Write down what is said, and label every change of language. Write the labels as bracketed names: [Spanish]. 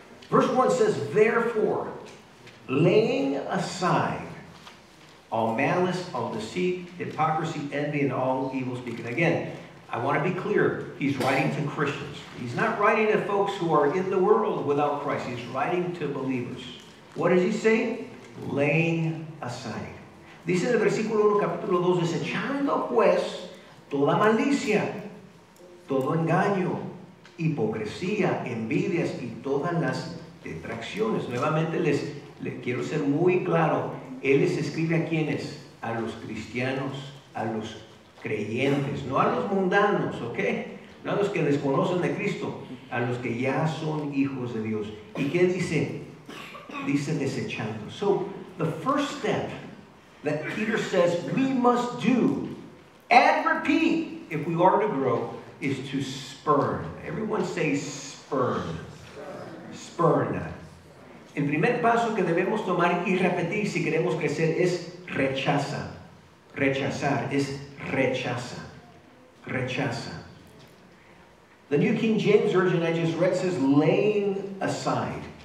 [English] Verse 1 says, therefore, laying aside all malice, all deceit, hypocrisy, envy, and all evil speaking. Again, I want to be clear, he's writing to Christians. He's not writing to folks who are in the world without Christ. He's writing to believers. What does he say? Laying aside. [Spanish] Dice en el versículo 1, capítulo 2, desechando pues toda malicia, todo engaño, hipocresía, envidias y todas las detracciones. Nuevamente les quiero ser muy claro. Él les escribe a quienes, a los cristianos, a los creyentes, no a los mundanos, ¿ok? No a los que desconocen de Cristo, a los que ya son hijos de Dios. ¿Y qué dice? Dice desechando. [English] So, the first step that Peter says we must do and repeat if we are to grow is to spurn. Everyone say spurn. Spurn. [Spanish] El primer paso que debemos tomar y repetir si queremos crecer es rechaza. Rechazar es rechaza. Rechaza. [English] The New King James Version I just read says laying aside.